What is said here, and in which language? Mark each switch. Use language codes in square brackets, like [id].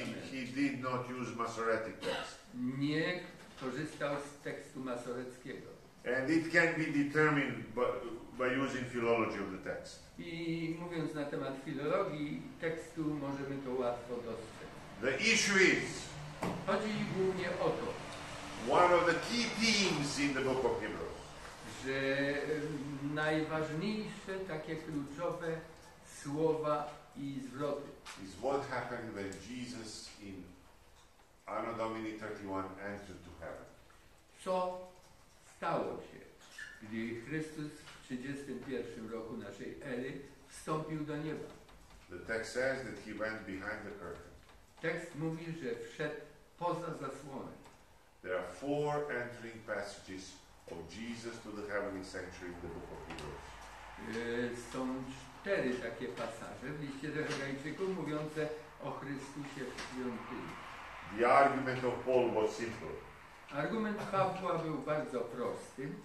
[en] he did not use Masoretic text. [pl] Nie korzystał z tekstu masoreckiego. [en] And it can be determined by using philology of the text. [pl] I mówiąc na temat filologii tekstu, możemy to łatwo dostrzec. [en] The issue is, [pl] chodzi głównie o to, [en] one of the key themes in the book of Hebrews, [pl] że najważniejsze, takie kluczowe słowa i zwroty [en] is what happened when Jesus in Anno Domini 31 entered to heaven. [pl] Co stało się, gdy Chrystus w 31 roku naszej ery wstąpił do nieba? [en] The text says that he went behind the curtain. [pl] Tekst mówi, że wszedł poza zasłonę. [en] There are four entering passages of Jesus to the heavenly sanctuary in the book of Hebrews. [pl] Są cztery takie pasaże w liście do Hebrajczyków mówiące o Chrystusie w świątyni. [en] The argument of Paul was simple. [pl] Argument Pawła był bardzo prosty.